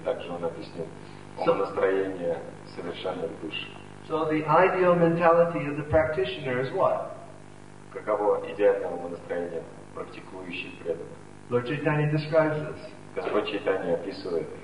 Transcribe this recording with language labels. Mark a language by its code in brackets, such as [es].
[ru] Также он объяснил умонастроение совершенных душ. [en] So the ideal mentality of the practitioner is what? [ru] Каково идеальное умонастроение практикующих преданных? [en] Lord Chaitanya describes this. [ru] Господь Чайтанья описывает.